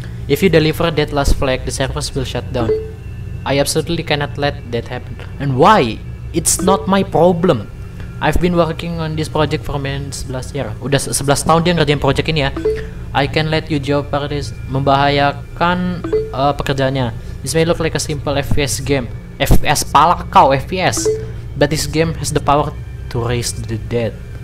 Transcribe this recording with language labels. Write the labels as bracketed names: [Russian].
[English] If you deliver that last flag, the servers will shut down. I absolutely cannot let that happen. And why? It's not my problem. I've been working on this project for many 11 years. [Indonesian] Udah 11 tahun dia ngerjain project ini ya. [English] I can let you jeopardize, [Indonesian] membahayakan pekerjaannya. [English] This may look like a simple FPS game. [Indonesian] FPS pala kau, FPS. [English] But this game has the power to raise the dead.